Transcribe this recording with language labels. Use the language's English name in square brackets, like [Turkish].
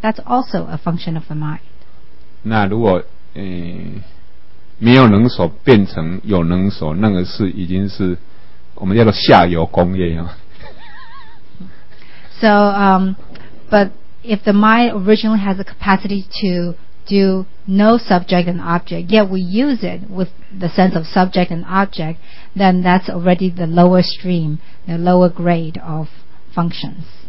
[English] That's also a function of the mind. [Chinese] 那如果没有能所变成有能所，那个是已经是我们叫做下游工业啊。 [English] So, but if the mind originally has the capacity to do no subject and object, yet we use it with the sense of subject and object, then that's already the lower stream, the lower grade of functions.